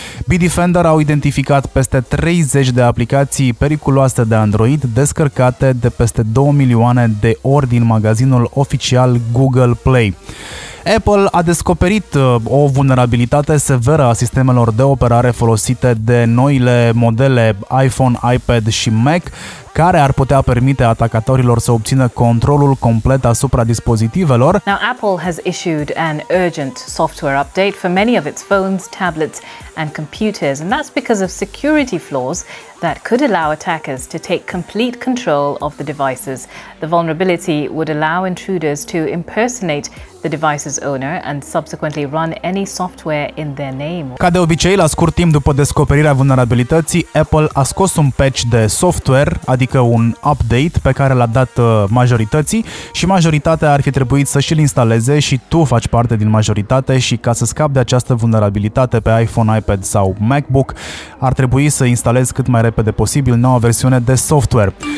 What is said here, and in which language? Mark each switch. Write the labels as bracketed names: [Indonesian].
[Romanian] Bitdefender au identificat peste 30 de aplicații periculoase de Android descărcate de peste 2 milioane de ori din magazinul oficial Google Play. Apple a descoperit o vulnerabilitate severă a sistemelor de operare folosite de noile modele iPhone, iPad și Mac, care ar putea permite atacatorilor să obțină controlul complet asupra dispozitivelor. [English] Now, Apple has issued an urgent software update for many of its phones, tablets and computers, and that's because of security flaws that could allow attackers to take complete control of the devices. The vulnerability would allow intruders to impersonate the device's owner and subsequently run any software in their name. [Romanian] Ca de obicei, la scurt timp după descoperirea vulnerabilității, Apple a scos un patch de software, adică un update pe care l-a dat majorității și majoritatea ar fi trebuit să și-l instaleze și tu faci parte din majoritate și ca să scapi de această vulnerabilitate pe iPhone, iPad sau MacBook, ar trebui să instalezi cât mai repede posibil noua versiune de software.